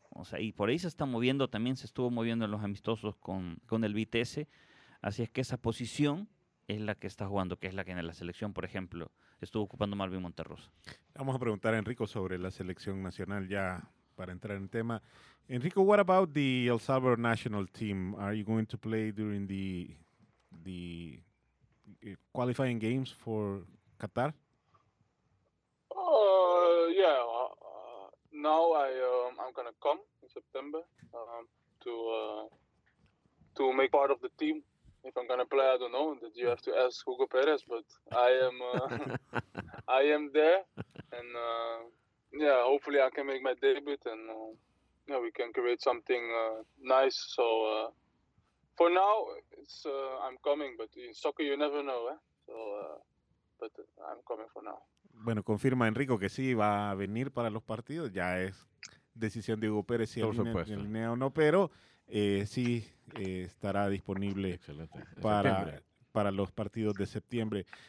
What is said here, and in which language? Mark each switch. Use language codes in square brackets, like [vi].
[es] O sea, y por ahí se está moviendo, también se estuvo moviendo en los amistosos con el Vitesse. Así es que esa posición es la que está jugando, que es la que en la selección, por ejemplo, estuvo ocupando Marvin Monterroso. Vamos a preguntar a Enrico sobre la selección nacional ya para entrar en tema. [en] Enrico, what about the El Salvador national team? Are you going to play during the qualifying games for Qatar? I'm gonna come in September to make part of the team. If I'm gonna play, I don't know. That you have to ask Hugo Perez, but I am I am there, and hopefully I can make my debut, and we can create something nice. So for now, it's I'm coming, but in soccer you never know, but I'm coming for now. [es] Bueno, confirma Enrico que sí va a venir para los partidos. Ya es decisión de Hugo Pérez si alinea o no, pero sí estará disponible para los partidos de septiembre.